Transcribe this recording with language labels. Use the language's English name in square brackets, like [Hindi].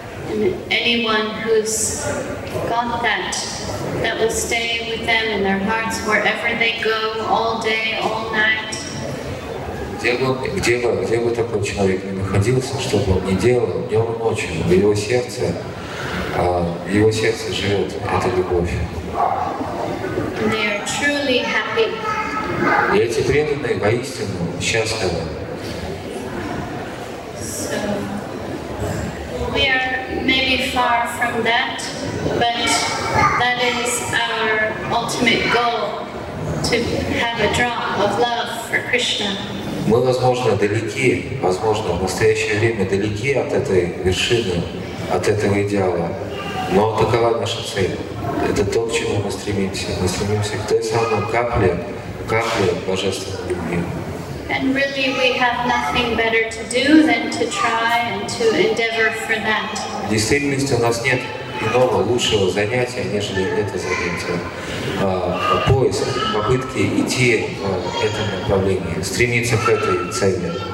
[English] And anyone who's got that will stay with them in their hearts wherever they go, all day, all night. [Russian] Где бы такой человек ни находился, что бы он ни делал, днем и ночью, в его сердце живет эта любовь. [English] And they are truly happy. [Russian] И эти преданные воистину счастливы. [English] So, we are maybe far from that, but that is our ultimate goal, to have a drop of love for Krishna. [Russian] Мы, возможно, в настоящее время далеки от этой вершины, от этого идеала, но такова наша цель. Это то, к чему мы стремимся. Мы стремимся к той самой капле Божественной любви. [English] And really we have nothing better to do than to try and to endeavor for that. [Russian] В действительности у нас нет иного лучшего занятия, нежели это занятие. Поиск, попытки идти в это направление, стремиться к этой цели.